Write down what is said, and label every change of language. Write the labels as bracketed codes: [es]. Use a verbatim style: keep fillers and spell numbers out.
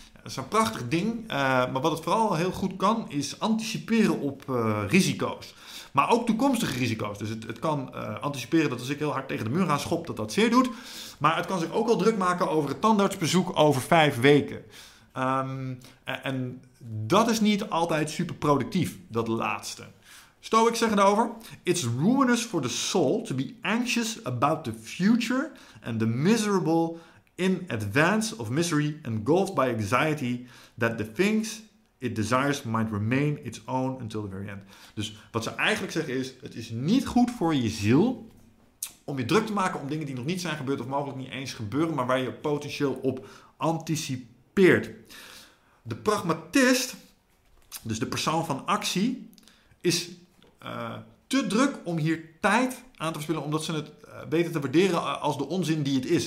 [nl] Dat is een prachtig ding, uh, maar wat het vooral heel goed kan, is anticiperen op uh, risico's. Maar ook toekomstige risico's. Dus het, het kan uh, anticiperen dat als ik heel hard tegen de muur ga schop, dat dat zeer doet. Maar het kan zich ook al druk maken over het tandartsbezoek over vijf weken. Um, en, en dat is niet altijd super productief, dat laatste. Stoics zeggen daarover: [en] it's ruinous for the soul to be anxious about the future and the miserable in advance of misery engulfed by anxiety that the things it desires might remain its own until the very end. [nl] Dus wat ze eigenlijk zeggen is: het is niet goed voor je ziel om je druk te maken om dingen die nog niet zijn gebeurd of mogelijk niet eens gebeuren, maar waar je potentieel op anticipeert. De pragmatist, dus de persoon van actie, is Uh, te druk om hier tijd aan te verspillen, omdat ze het uh, weten te waarderen uh, als de onzin die het is.